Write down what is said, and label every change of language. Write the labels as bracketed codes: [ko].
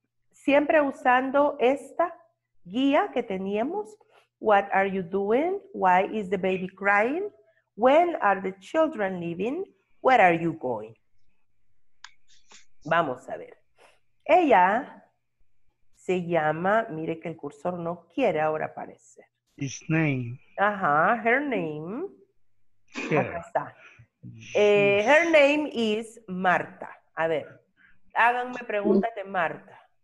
[es] Siempre usando esta guía que teníamos. [en] What are you doing? Why is the baby crying? When are the children leaving? Where are you going? [es] Vamos a ver. Ella se llama, mire que el cursor no quiere ahora aparecer. [en] His name. [es] Ajá, [en] her name. [es] Acá está. [en] Her name is Marta. [es] A ver, háganme preguntas de Marta.